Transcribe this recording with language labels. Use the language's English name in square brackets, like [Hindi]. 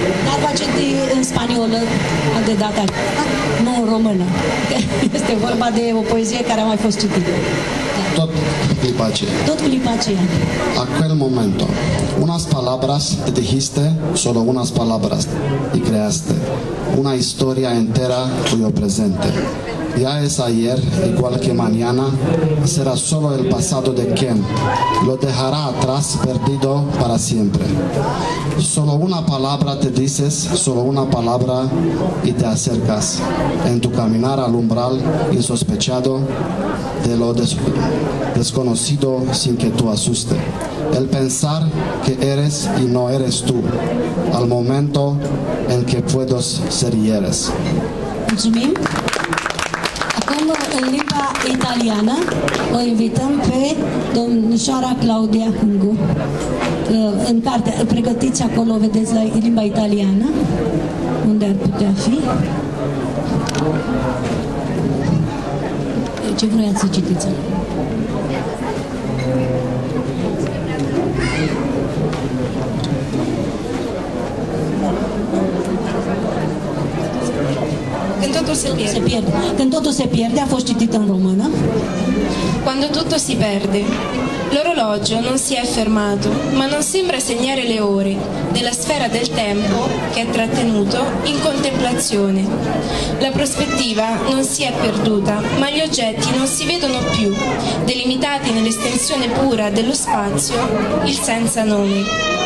[Romanian] Dar face de în spaniolă de data. Nu în română. Este vorba de o poezie care a mai fost citită. Tot clipa aceea. Tot clipa aceea. [Spanish] Acel momento. Unas palabras te dijiste, solo unas palabras y creaste una historia entera cuyo presente. Ya es ayer, igual que mañana, será solo el pasado de quien lo dejará atrás perdido para siempre. Solo una palabra te dices, solo una palabra y te acercas en tu caminar al umbral insospechado de lo desconocido sin que tú asustes. El pensar que eres y no eres tú, al momento en que puedes ser y eres. [Romanian] Mulțumim. Acum, în limba italiană, o invităm pe domnișoara Claudia Hungu. În carte, pregătiți acolo, vedeți, la limba italiană, unde ar putea fi. Ce vreau să citiți? Când totul se pierde. Când totul se pierde, a fost citită în română? [Italian] Quando tutto si perde. L'orologio non si è fermato, ma non sembra segnare le ore della sfera del tempo che è trattenuto in contemplazione. La prospettiva non si è perduta, ma gli oggetti non si vedono più, delimitati nell'estensione pura dello spazio, il senza nome.